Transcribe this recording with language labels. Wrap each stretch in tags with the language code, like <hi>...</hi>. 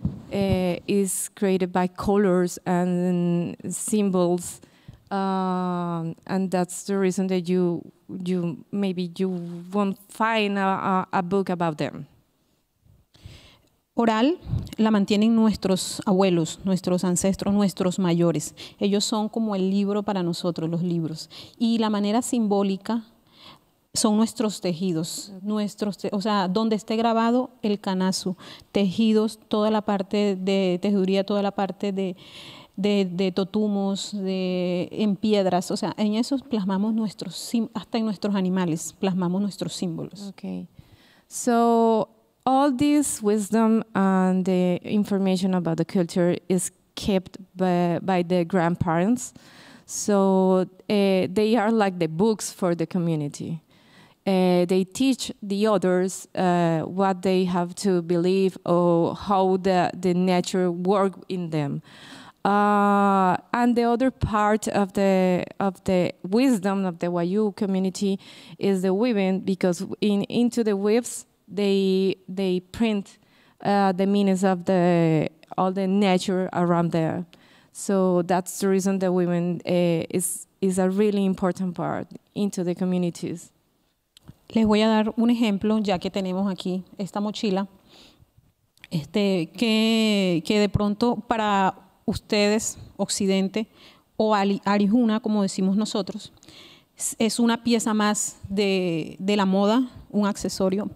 <en>Is created by colors and symbols, and that's the reason that you won't find a book about them.</en> <es>Oral la mantienen nuestros abuelos, nuestros ancestros, nuestros mayores. Ellos son como el libro para nosotros, los libros. Y la manera simbólica son nuestros tejidos, o sea, donde esté grabado el canazo, tejidos, toda la parte de tejeduría, toda la parte de totumos, en piedras. O sea, en eso plasmamos nuestros, hasta en nuestros animales, plasmamos nuestros símbolos.</es> <en>Okay. So... All this wisdom and the information about the culture is kept by the grandparents. So they are like the books for the community. They teach the others what they have to believe or how the nature work in them. And the other part of the wisdom of the Wayuu community is the women, because into the weaves, they print the meanings of the all the nature around there. So that's the reason the women is a really important part into the communities.</en> <es>Les voy a dar un ejemplo, ya que tenemos aquí esta mochila, que de pronto para ustedes, Occidente, o arijuna, como decimos nosotros, es una pieza más de la moda, un accesorio.</es>